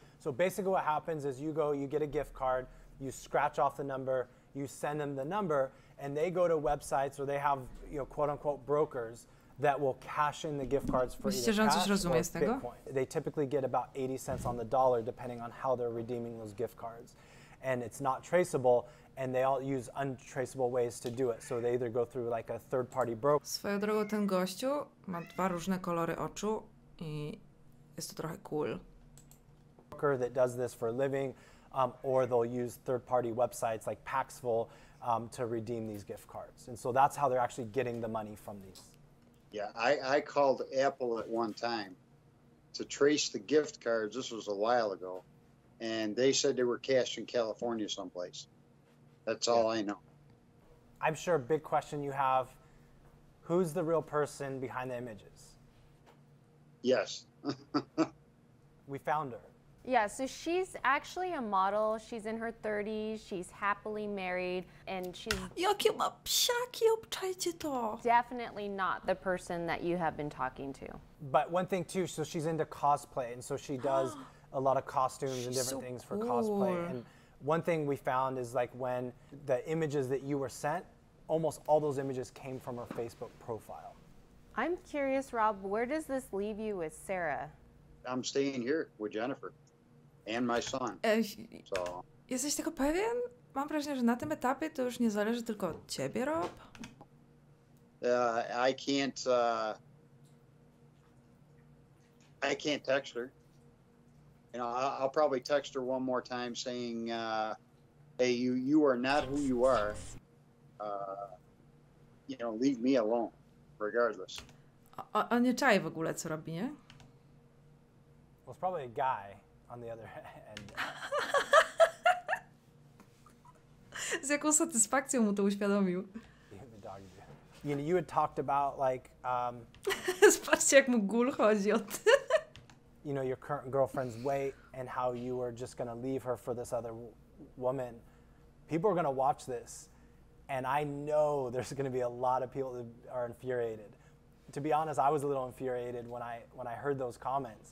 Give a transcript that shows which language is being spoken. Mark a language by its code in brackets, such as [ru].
[en] So basically what happens is you go, you get a gift card, you scratch off the number, you send them the number, and they go to websites where they have, you know, quote unquote brokers that will cash in the gift cards for either cash or Bitcoin. They typically get about 80 cents on the dollar depending on how they're redeeming those gift cards. And it's not traceable, and they all use untraceable ways to do it. So they either go through like a third party broker. [pl] Swoją drogą, ten gościu ma dwa różne kolory oczu i jest to trochę cool. [en] Broker that does this for a living, or they'll use third party websites like Paxful to redeem these gift cards. And so that's how they're actually getting the money from these. Yeah, I called Apple at one time to trace the gift cards. This was a while ago. And they said they were cashed in California someplace. That's all I know. I'm sure a big question you have, who's the real person behind the images? Yes. We found her. Yeah, so she's actually a model. She's in her 30s. She's happily married. And she's... [pl] Jakie ma psiaki, obczajcie to. [en] Definitely not the person that you have been talking to. But one thing too, so she's into cosplay. And so she does a lot of costumes and different things for cosplay. And one thing we found is like when the images that you were sent, almost all those images came from her Facebook profile. I'm curious, Rob, where does this leave you with Sarah? I'm staying here with Jennifer and my son. So. [pl] Jesteś tego pewien? mam wrażenie, że na tym etapie to już nie zależy tylko od ciebie, Rob. [en] I can't text her. You know, I'll probably text her one more time saying, hey, you are not who you are. You know, leave me alone, regardless. [pl] On nie czai w ogóle, co robi, nie? [en] Well, it's probably a guy on the other end. [pl] Z jaką satysfakcją mu to uświadomił. [en] You know, you had talked about, like, [pl] Spatrzcie, jak mu gul chodzi o ty. [en] You know, your current girlfriend's weight and how you were just going to leave her for this other woman. People are going to watch this, and I know there's going to be a lot of people that are infuriated. To be honest, I was a little infuriated when I heard those comments.